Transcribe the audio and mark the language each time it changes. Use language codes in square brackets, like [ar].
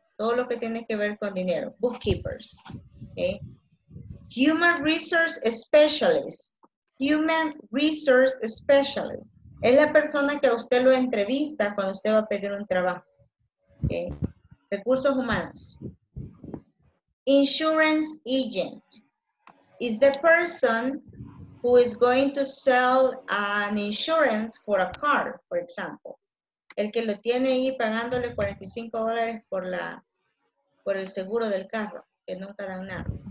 [es] Todo lo que tiene que ver con dinero, bookkeepers. Okay? [en] Human resource specialist. Human resource specialist. [es] Es la persona que a usted lo entrevista cuando usted va a pedir un trabajo. ¿Okay? Recursos humanos. [en] Insurance agent is the person who is going to sell an insurance for a car, for example. [es] El que lo tiene ahí pagándole $45 por el seguro del carro, que nunca dan nada.